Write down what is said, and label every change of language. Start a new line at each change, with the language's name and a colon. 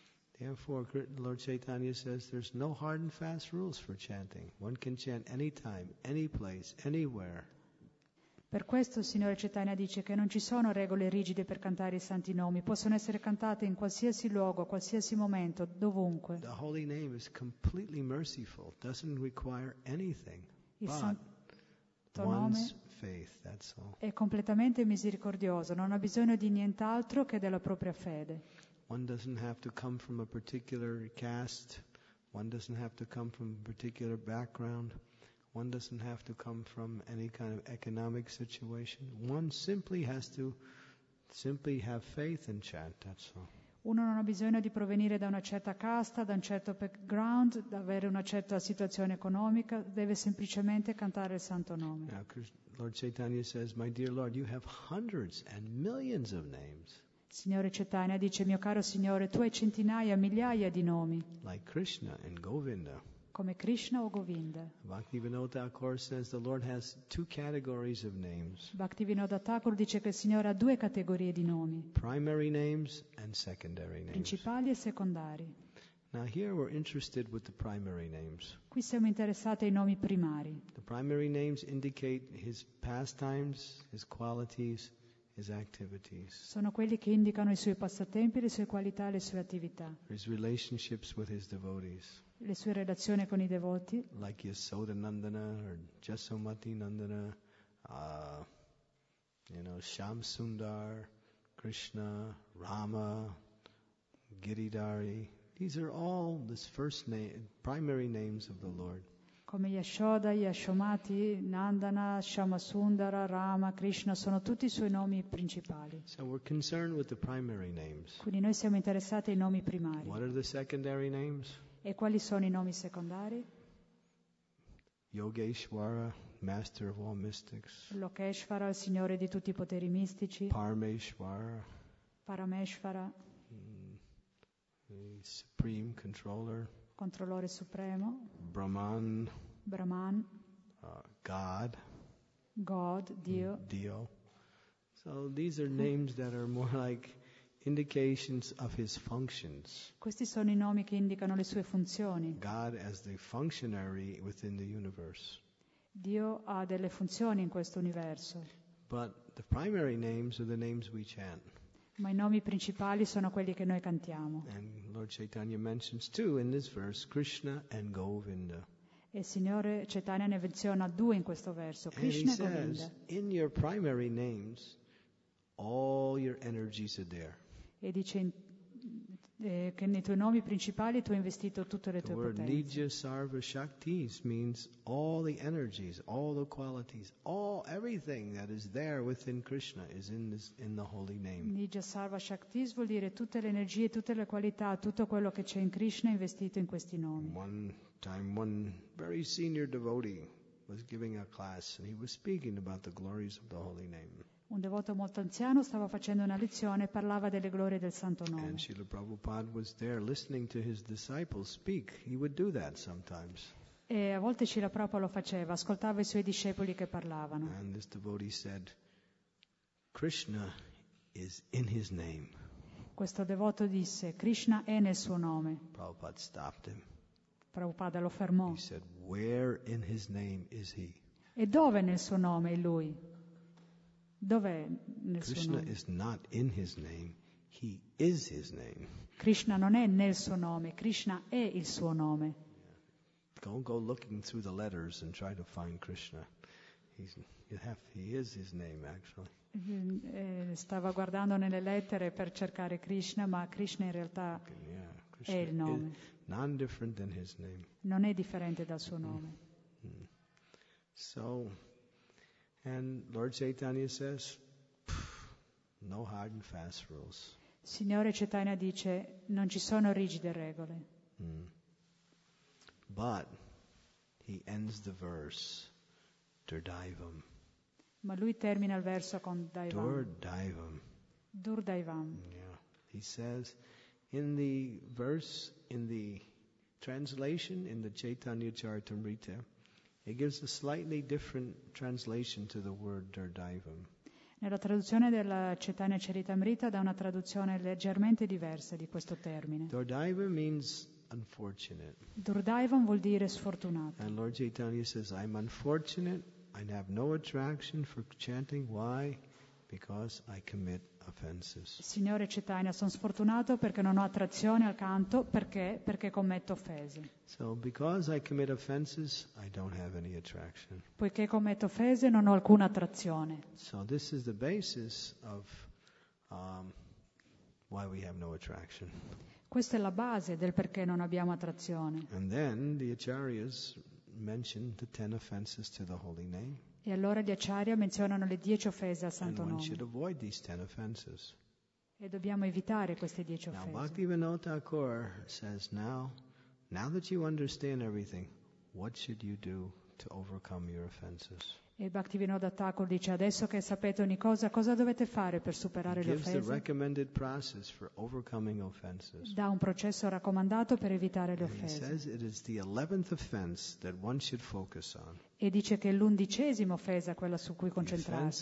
English: Therefore, Lord Chaitanya says there's no hard and fast rules for chanting. One can chant anytime, any place, anywhere.
Italian: Per questo il Signore Chaitanya dice che non ci sono regole rigide per cantare i santi nomi, possono essere cantate in qualsiasi luogo, a qualsiasi momento, dovunque.
English: The holy name is completely merciful, doesn't require anything. One's faith, that's all.
Italian: È completamente misericordioso, non ha bisogno di nient'altro che della propria fede.
English: One doesn't have to come from a particular caste, one doesn't have to come from a particular background, one doesn't have to come from any kind of economic situation. One simply has to have faith and chant, that's all.
Italian: Uno non ha bisogno di provenire da una certa casta, da un certo background, da avere una certa situazione economica, deve semplicemente cantare il santo nome.
English: Now, Lord Chaitanya says, my dear Lord, you have hundreds and millions of names.
Italian: Signore Chaitanya dice, mio caro Signore, tu hai centinaia, migliaia di nomi.
English: Like Krishna and Govinda.
Italian: Come Krishna o Govinda.
English: Bhaktivinoda Thakur says the Lord has two categories of names.
Italian: Bhaktivinoda Thakur dice che il Signore ha due categorie di nomi.
English: Primary names and secondary names.
Italian: Principali e secondari.
English: Now here we're interested with the primary names.
Italian: Qui siamo interessati ai nomi primari.
English: The primary names indicate his pastimes, his qualities, his activities.
Italian: Sono quelli che indicano i suoi passatempi, le sue qualità, le sue attività.
English: His relationships with his devotees.
Italian: Le sue relazioni con i devoti.
English: Like Yasoda Nandana or Jasomati Nandana, Shamsundar, Krishna, Rama, Giridhari. These are all this first name, primary names of the Lord.
Italian: Come Yashoda, Yashomati, Nandana, Shamasundara, Rama, Krishna, sono tutti i suoi nomi principali.
English: So we're concerned with the primary names.
Italian: Quindi noi siamo interessati ai nomi primari.
English: What are the secondary names?
Italian: E quali sono i nomi secondari?
English: Yogeshwara, master of all mystics.
Italian: Lokeshwara, il signore di tutti i poteri mistici.
English: Parameshwara.
Italian: Parameshwara.
English: Supreme controller.
Italian: Controllore supremo.
English: Brahman.
Italian: Brahman.
English: God.
Italian: God, Dio. Dio.
English: So these are names that are more like indications of his functions.
Italian: Questi sono i nomi che indicano le sue funzioni.
English: God as the functionary within the universe.
Italian: Dio ha delle funzioni in questo universo.
English: But the primary names are the names we chant.
Italian: Ma i nomi principali sono quelli che noi cantiamo.
English: And Lord Chaitanya mentions too in this verse Krishna and Govinda.
Italian: E il Signore Chaitanya ne menziona due in questo verso, Krishna
English: and
Italian: e Govinda.
English: Says, in your primary names all your energies are there.
Italian: E dice che nei tuoi nomi principali tu hai investito tutte le tue potenze.
English: Nidya Sarva Shaktis means all the energies, all the qualities, all everything that is there within Krishna is in the holy name.
Italian: Nidya Sarva Shaktis vuol dire tutte le energie, tutte le qualità, tutto quello che c'è in Krishna investito in questi nomi.
English: One time one very senior devotee was giving a class and he was speaking about the glories of the holy name.
Italian: Un devoto molto anziano stava facendo una lezione e parlava delle glorie del Santo Nome.
English: And Srila Prabhupada was there listening to his disciples speak. He would do that sometimes.
Italian: E a volte Srila Prabhupada lo faceva, ascoltava i suoi discepoli che parlavano.
English: And this devotee said, Krishna is in his name.
Italian: Questo devoto disse, Krishna è nel suo nome.
English: Prabhupada stopped him.
Italian: Prabhupada lo fermò.
English: He said, where in his name is he?
Italian: E dove nel suo nome è lui? Dov'è nel Krishna suo nome?
English: Is not in his name, he is his name.
Italian: Krishna non è nel suo nome, Krishna è il suo nome.
English: Yeah. Don't go looking through the letters and try to find Krishna. He is his name actually.
Italian: Stava guardando nelle lettere per cercare Krishna, ma Krishna in realtà Krishna è il nome.
English: Non different than his name.
Italian: Non è differente dal suo nome.
English: So and Lord Chaitanya says, no hard and fast rules.
Italian: Signore Chaitanya dice, non ci sono rigide regole.
English: But he ends the verse, durdaivam.
Italian: Ma lui termina il verso con daivam.
English: Durdaivam.
Italian: Durdaivam.
English: Yeah. He says, in the verse, in the translation, in the Chaitanya Charitamrita, it gives a slightly different translation to the word durdaivam.
Italian: Nella traduzione della Chaitanya Charitamrita dà una traduzione leggermente diversa di questo termine.
English: Durdaivam means unfortunate.
Italian: Durdaivam vuol dire sfortunato.
English: And Lord Chaitanya says, I'm unfortunate, I have no attraction for chanting. Why? Because I commit offenses.
Italian: Signore Chaitanya, sono sfortunato perché non ho attrazione al canto. Perché? Perché commetto offese.
English: So because I commit offenses, I don't have any attraction.
Italian: Poiché commetto offese, non ho alcuna attrazione.
English: So this is the basis of why we have no attraction.
Italian: Questa è la base del perché non abbiamo attrazione.
English: And then the acharyas mention the 10 offenses to the holy name.
Italian: E allora gli acharya menzionano le 10 offese al Santo
English: and
Italian: Nome.
English: One should avoid these 10 offenses.
Italian: E dobbiamo evitare queste 10 offese.
English: Now Bhaktivinoda Kaur says, now that you understand everything, what should you do to overcome your offenses?
Italian: E Bhaktivinoda Thakur dice, adesso che sapete ogni cosa, cosa dovete fare per superare le offese?
English: The recommended process for overcoming offenses.
Italian: Dà un processo raccomandato per evitare le offese.
English: He says it is the 11th offense that one should focus on.
Italian: E dice che è l'undicesima offesa quella su cui concentrarsi.